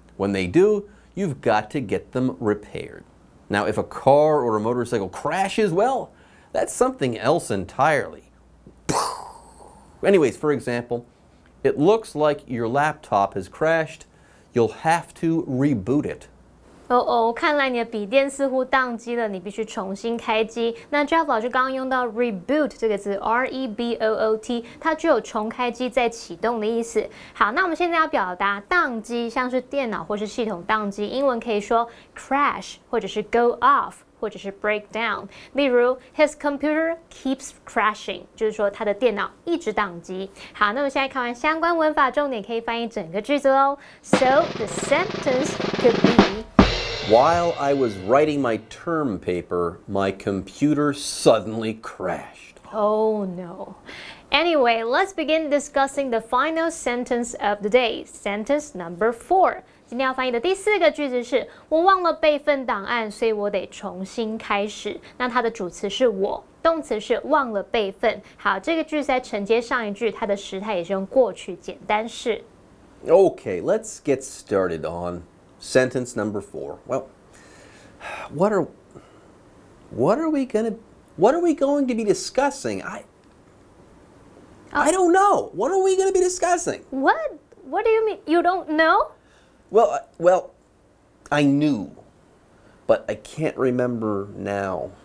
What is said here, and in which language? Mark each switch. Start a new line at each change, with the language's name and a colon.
English: When they do, you've got to get them repaired. Now, if a car or a motorcycle crashes, well, that's something else entirely. Anyways, for example, it looks like your laptop has crashed. You'll have to reboot it.
Chinese: 看来你的笔电似乎宕机了，你必须重新开机。那 Jeff 老师刚刚用到 reboot 这个字 ，R-E-B-O-O-T， 它具有重开机、再启动的意思。好，那我们现在要表达宕机，像是电脑或是系统宕机，英文可以说 crash 或者是 go off。或者是 breakdown， 例如
English: his computer keeps crashing，
Chinese: 就是说他的电脑一直宕机。好，那么现在看完相关文法重点，可以翻译整个句子喽。
English: So the sentence could be: While I was writing my term paper, my computer suddenly crashed. Oh no. Anyway, let's begin discussing the final sentence of the day. Sentence number 4.
Chinese: 今天要翻译的第四个句子是我忘了备份档案，所以我得重新开始。那它的主词是我，动词是忘了备份。好，这个句子在承接上一句，它的时态也是用过去简单式。
English: Okay, let's get started on sentence number 4. Well, what are we going to be discussing? I don't know. What are we going to be discussing? What do you mean? You don't know? Well, I knew, but I can't remember now.